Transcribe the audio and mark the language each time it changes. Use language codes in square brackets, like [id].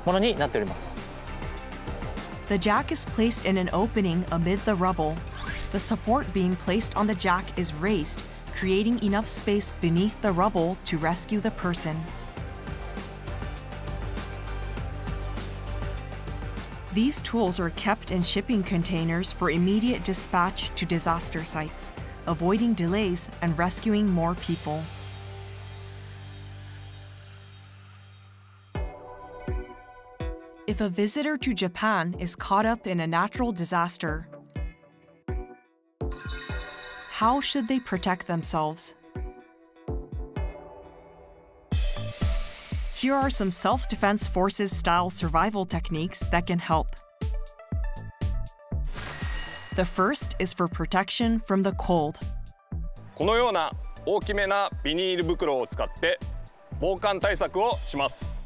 [ja] 人命救助する際はこの添え木といいますか、こちらのレバーを上下に上げることによって、この油圧でだんだん上がっていきますので、その隙間から人を救助するっていうものになっております。The [en] jack is placed in an opening amid the rubble. The support beam placed on the jack is raised, creating enough space beneath the rubble to rescue the person. These tools are kept in shipping containers for immediate dispatch to disaster sites, avoiding delays and rescuing more people. If a visitor to Japan is caught up in a natural disaster, how should they protect themselves? Here are some self-defense forces style survival techniques that can help. The first is for protection from the cold. [ja] このような大きめなビニール袋を使って防寒対策をします。